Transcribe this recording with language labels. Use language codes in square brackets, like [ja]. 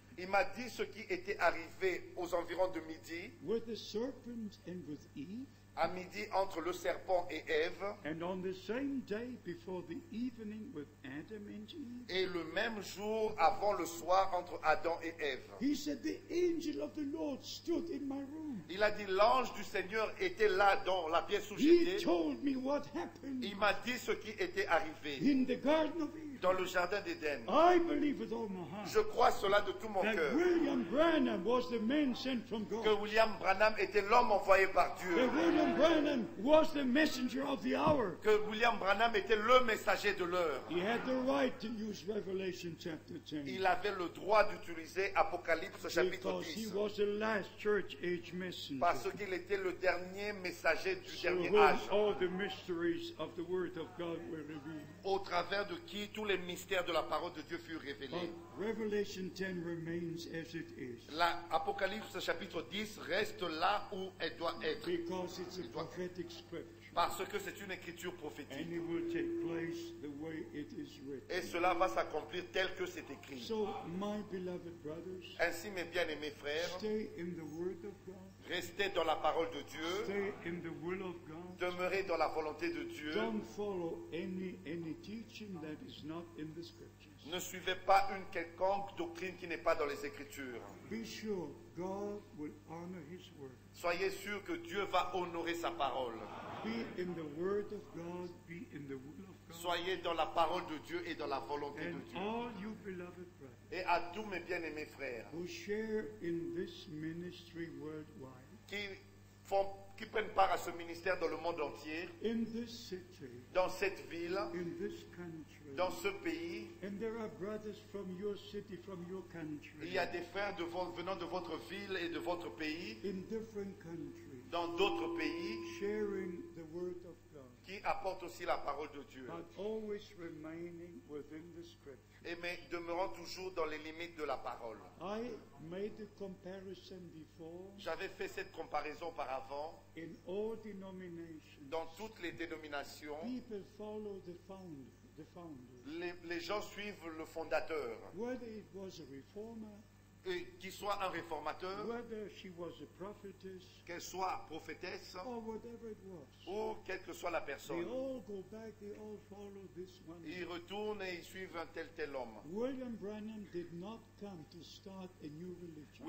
[fr] Il m'a dit ce qui était arrivé aux environs de midi, [en] with the serpent and with Eve, [fr] à midi entre le serpent et Ève, [en] and on the same day before the evening with Adam and Eve, [fr] et le même jour avant le soir entre Adam et Ève. [en] He said the angel of the Lord stood in my room. [fr] Il a dit l'ange du Seigneur était là dans la pièce où j'étais. [en] He told me what happened. [fr] Il m'a dit ce qui était arrivé [en] in the garden of Eden, [fr] dans le jardin d'Éden. [en] I believe with all my heart, [fr] je crois cela de tout mon cœur, [en] William Branham was the man sent from God, [fr] que William Branham était l'homme envoyé par Dieu, [en] William Branham was the messenger of the hour, [fr] que William Branham était le messager de l'heure. [en] He had the right to use Revelation chapter 10. [fr] Il avait le droit d'utiliser Apocalypse chapitre 10. [en] Because he was the last church age messenger. [fr] Parce qu'il était le dernier messager du dernier âge. [en] So whom all the mysteries of the word of God were revealed. [fr] Au travers de qui tous les mystères de la parole de Dieu furent révélés. [en] But Revelation 10 remains as it is. [fr] La Apocalypse chapitre 10 reste là où elle doit être. [en] Because it's a prophetic scripture. [fr] Parce que c'est une écriture prophétique. [en] And it will take place the way it is written. [fr] Et cela va s'accomplir tel que c'est écrit. [en] So, my beloved brothers, [fr] ainsi, mes bien-aimés frères, [en] stay in the word of God, [fr] restez dans la parole de Dieu, [en] stay in the will of God, [fr] demeurez dans la volonté de Dieu. [en] Don't follow any teaching that is not in the scriptures. [fr] Ne suivez pas une quelconque doctrine qui n'est pas dans les Écritures. [en] Be sure God will honor his word. [fr] Soyez sûr que Dieu va honorer sa parole. [en] Be in the word of God, be in the will of God. [fr] Soyez dans la parole de Dieu et dans la volonté [en] and [fr] de Dieu. [en] All you beloved brothers, [fr] et à tous mes bien-aimés frères [en] who share in this ministry worldwide, [fr] qui prennent part à ce ministère dans le monde entier, [en] in this city, [fr] dans cette ville, [en] in this country, [fr] dans ce pays, [en] and there are brothers from your city, from your country, [fr] il y a des frères venant de votre ville et de votre pays, [en] in different countries, [fr] dans d'autres pays, [en] sharing the word of God, [fr] qui apportent aussi la parole de Dieu, [en] but always remaining within the scripture, [fr] et mais demeurant toujours dans les limites de la parole. [en] I made a comparison before, [fr] j'avais fait cette comparaison auparavant. [en] In all denominations, [fr] dans toutes les dénominations, [en] people follow the founder. The founder. [fr] Les gens suivent le fondateur. [en] Whether it was a reformer, [fr] et qu'il soit un réformateur, [en] whether she was a prophetess, [fr] qu'elle soit prophétesse, [en] or whatever it was, [fr] ou quelle que soit la personne, [en] they all go back, they all follow this one. [fr] Ils retournent et ils suivent un tel homme. [en] William Branham did not come to start a new religion.